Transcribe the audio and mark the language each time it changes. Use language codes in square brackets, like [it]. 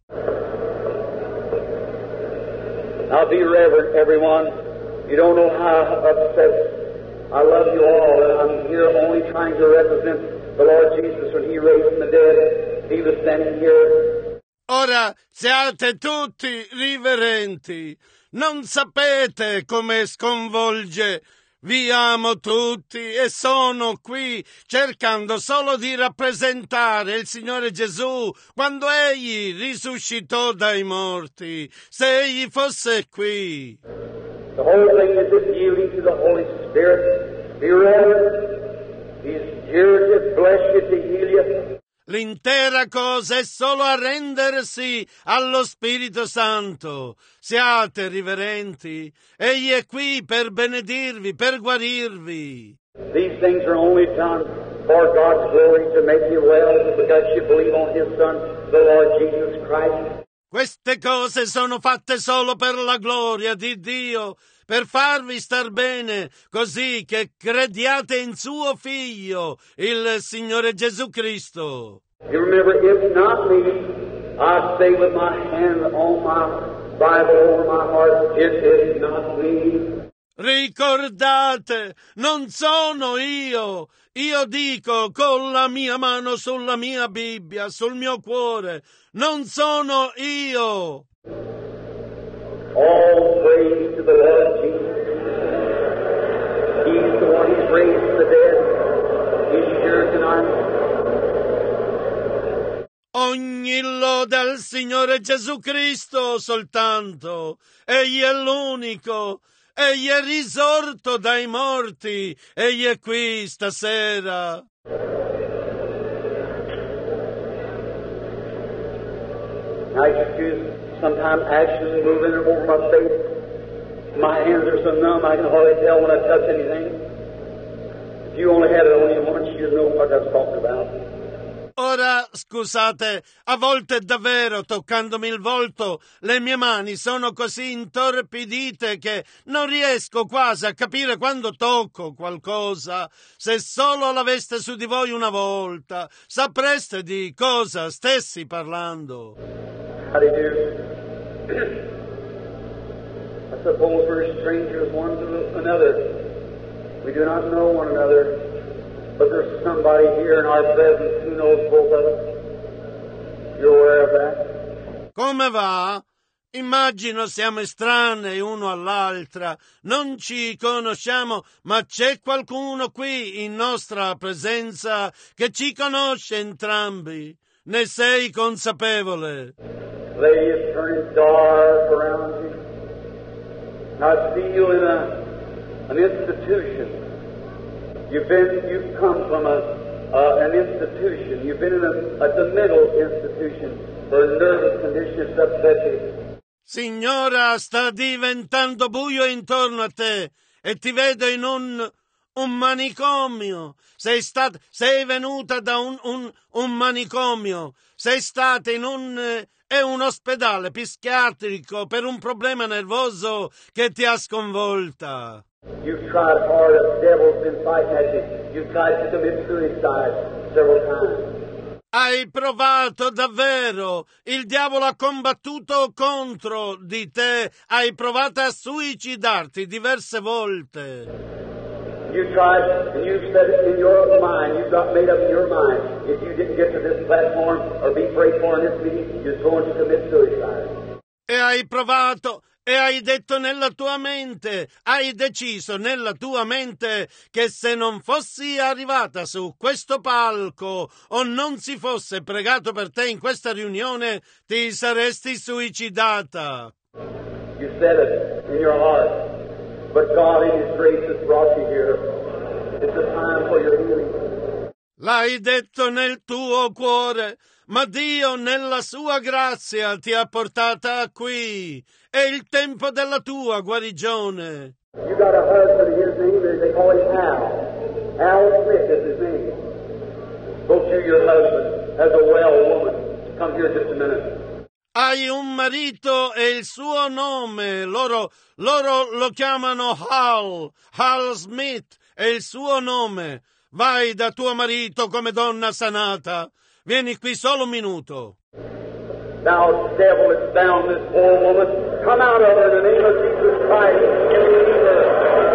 [en] Now be reverent, everyone. You don't know how upset. I love you all, and I'm here only trying to represent the Lord Jesus when He raised from the dead. He was standing here. [it] Ora siate tutti riverenti. Non sapete come sconvolge. Vi amo tutti e sono qui cercando solo di rappresentare il Signore Gesù quando Egli risuscitò dai morti. Se Egli fosse qui. [en] The whole thing is this yielding to the Holy Spirit. Be reverent. He's here to bless you, to heal you. [it] L'intera cosa è solo arrendersi allo Spirito Santo. Siate riverenti. Egli è qui per benedirvi, per guarirvi. [en] These things are only done for God's glory, to make you well, because you believe on His Son, the Lord Jesus Christ. [it] Queste cose sono fatte solo per la gloria di Dio, per farvi star bene, così che crediate in suo Figlio, il Signore Gesù Cristo. [en] You remember, it's not me. I say with my hand on my Bible over my heart, it is not me. [it] Ricordate, non sono io. Io dico con la mia mano sulla mia Bibbia, sul mio cuore. Non sono io. [en] All praise to the Lord Jesus. He's the one who's raised the dead. He's here tonight. [it] Ogni lode al Signore Gesù Cristo soltanto. Egli è l'unico. Egli è risorto dai morti. Egli è qui stasera. [en] I just feel sometimes ashes moving over my face. My hands are so numb I can hardly tell when I touch anything. If you only had it on you once, you'd know what I was talking about. [it] Ora, scusate, a volte davvero, toccandomi il volto, le mie mani sono così intorpidite che non riesco quasi a capire quando tocco qualcosa. Se solo l'aveste su di voi una volta, sapreste di cosa stessi parlando. [en] How do you do? I suppose we're strangers one to another. We do not know one another. But there's somebody here in our presence who knows both of us. You're aware of that? [it] Come va? Immagino siamo estranei uno all'altra. Non ci conosciamo, ma c'è qualcuno qui in nostra presenza che ci conosce entrambi. Ne sei consapevole? [en] Lady, it's turning dark around you. And I see you in an institution. You've come from an institution. You've been in a mental institution for a nervous condition that's upset you. [it] Signora, sta diventando buio intorno a te e ti vedo in un manicomio. Sei venuta da un manicomio. Sei stata in un ospedale psichiatrico per un problema nervoso che ti ha sconvolta. [en] You've tried hard as the devil's been fighting at you. You've tried to commit suicide several times. [it] Hai provato davvero, il diavolo ha combattuto contro di te, hai provato a suicidarti diverse volte. [en] You tried and you said it in your mind, you got made up in your mind, if you didn't get to this platform or be prayed for in this meeting, you're going to commit suicide. [it] E hai provato e hai detto nella tua mente, hai deciso nella tua mente che se non fossi arrivata su questo palco o non si fosse pregato per te in questa riunione, ti saresti suicidata. [en] You said it in your heart, but God in His grace has brought you here. It's a time for your healing. [it] L'hai detto nel tuo cuore, ma Dio nella sua grazia ti ha portata qui. È il tempo della tua guarigione. [en] You got a husband in his name, they call him Al. Al Smith is his name. Go to your husband as a well woman. Come here just a minute. [it] Hai un marito e il suo nome. Loro lo chiamano Hal. Hal Smith è il suo nome. Vai da tuo marito come donna sanata. Vieni qui solo un minuto. [en] Now the devil has bound this poor woman. Come out of her in the name of Jesus Christ.